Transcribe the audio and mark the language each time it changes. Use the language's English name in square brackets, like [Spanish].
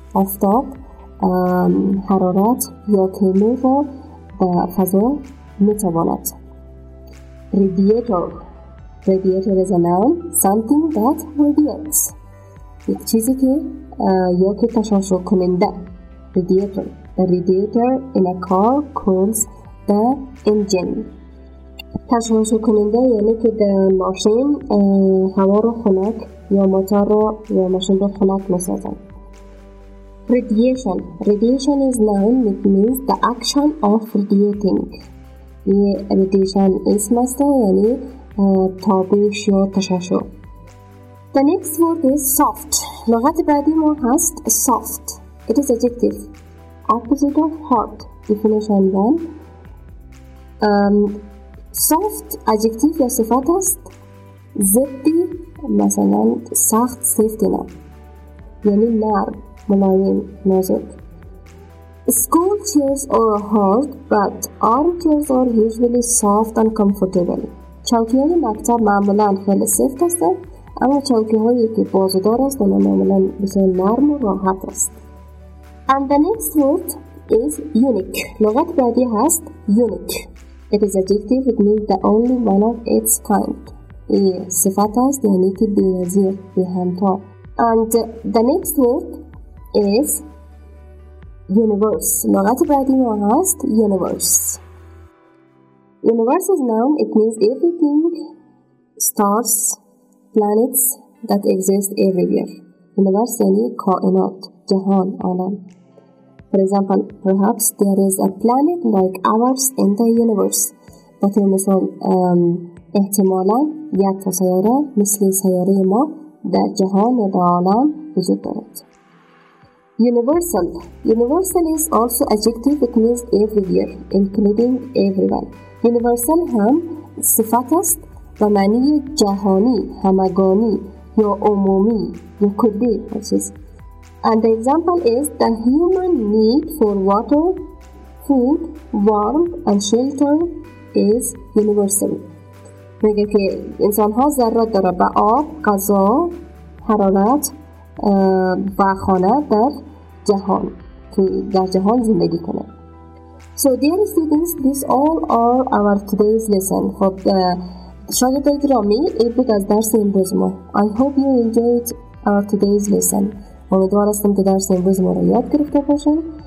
[Persian] آفتاب حرارت یا تنور را به فضا میتواند. [English] Radiator is a noun. Something that radiates. [Persian] یک چیزی که یا که تشعشع کننده. [English] Radiator. The radiator in a car cools the engine. [Persian] تشعشع کننده یعنی که در ماشین هوا را خنک یا موتور را یا ماشین را خنک می‌سازد. [English] Radiation is noun it means the action of radiating. [Persian] یه radiation اسم است یعنی تابش یا تشعشع. [English] The next word is soft. [Persian] لغت بعدی ما هست [English] soft. It is adjective. Opposite of hot. Definition 1. [Persian] soft adjective یا صفت است، ضدی مثلا سخت سفت نه، یعنی نرم ملایم نازک. [English] Skull chairs are hard but armchairs are usually soft and comfortable. [Persian] چوکی های مکتب معمولا خیلی سفت است، اما چوکی هایی که بازدار است اونا معمولا بسیار نرم و راحت است. [English] And the next word is unique. [Persian] لغت بعدی هست [English] unique. It is adjective, it means the only one of its kind. [Persian] این صفت است، یعنی که بی‌نظیر، بی‌همتا. [English] And the next word is universe. [Persian] لغت بعدی ما هست universe. [English] Universe is noun. It means everything, stars, planets that exist everywhere. [Persian] Universe یعنی کائنات، جهان، عالم. [English] For example, perhaps there is a planet like ours in the universe. [Persian] بطور مثال احتمالا یک سیاره مثل سیاره ما در جهان یا در عالم وجود دارد. [English] Universal. Universal is also adjective. It means everywhere, including everyone. [Persian] Universal هم صفت است و معنی جهانی، همگانی یا عمومی یا کلی. [English] And the example is the human need for water, food, warmth and shelter is universal. [Persian] میگه که انسان ها ضرورت داره به آب، غذا، حرارت و خانه در جهان، که در جهان زندگی کنه. [English] So dear students, these all are our today's lesson. [Persian] خب شاید اگرامی این بود از درس امروز ما. [English] I hope you enjoyed our today's lesson. [Persian] امیدوار هستم که درس امروز ما رو یاد گرفته باشن.